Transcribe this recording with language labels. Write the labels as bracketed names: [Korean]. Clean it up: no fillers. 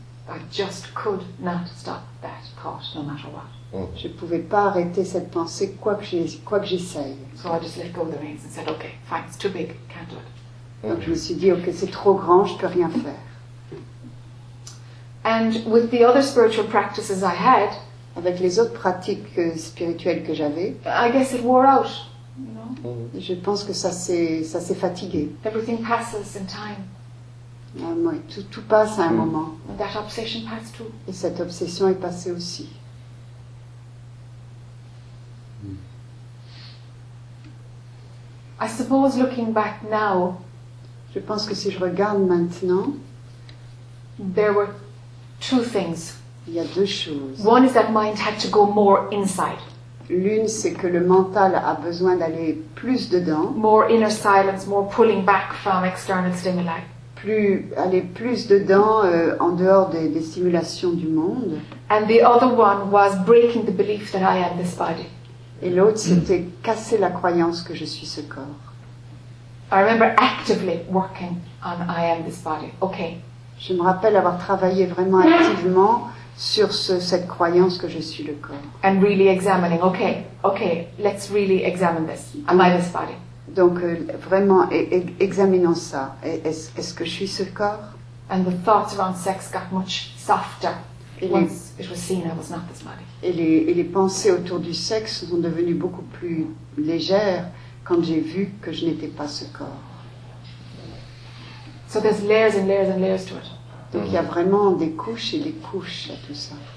[English] I just could not stop that thought, no matter what. [French] Je ne pouvais pas arrêter cette pensée, quoi que j'essaye. [English] So I just let go of the reins and said, okay, fine, it's too big, can't do it. [French] Donc je me suis dit, ok, c'est trop grand, je ne peux rien faire. [English] And with the other spiritual practices I had, [French] avec les autres pratiques spirituelles que j'avais, [English] I guess it wore out. [French] Je pense que ça s'est fatigué. [English] Everything passes in time. [French] Tout passe à un moment. [English] And that obsession passed too. [French] Et cette obsession est passée aussi. [English] I suppose looking back now, [French] je pense que si je regarde maintenant, [English] there were two things. [French] Il y a deux choses. [English] One is that mind had to go more inside. [French] L'une, c'est que le mental a besoin d'aller plus dedans. [English] More inner silence, more pulling back from external stimuli. [French] Plus, aller plus dedans, en dehors des stimulations du monde. [English] And the other one was breaking the belief that I am this body. [French] Et l'autre, c'était casser la croyance que je suis ce corps. [English] I remember actively working on I am this body. Okay. [French] Je me rappelle avoir travaillé vraiment activement sur cette croyance que je suis le corps. [English] And really examining, okay, let's really examine this. Am I this body? [French] Donc vraiment examinons ça. Est-ce que je suis ce corps? [English] And the thoughts around sex got much softer once it was seen I was not this body. [French] Et les pensées autour du sexe sont devenues beaucoup plus légères quand j'ai vu que je n'étais pas ce corps. [English] So there's layers and layers and layers to it. [French] Donc il y a vraiment des couches et des couches à tout ça.